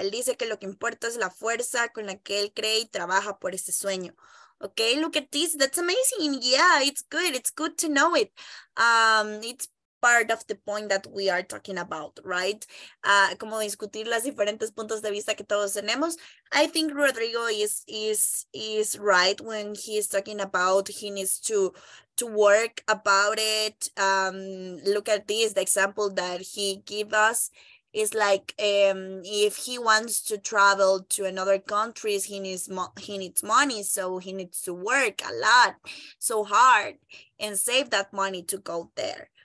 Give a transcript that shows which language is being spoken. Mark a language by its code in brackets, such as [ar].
[es] Él dice que lo que importa es la fuerza con la que él cree y trabaja por ese sueño. [en] Okay, look at this. That's amazing. Yeah, it's good. It's good to know it. It's part of the point that we are talking about, right? [es] Como discutir las diferentes puntos de vista que todos tenemos. [en] I think Rodrigo is right when he's talking about he needs to work about it. Look at this, the example that he gave us. It's like if he wants to travel to another country, he needs money, so he needs to work a lot, so hard, and save that money to go there.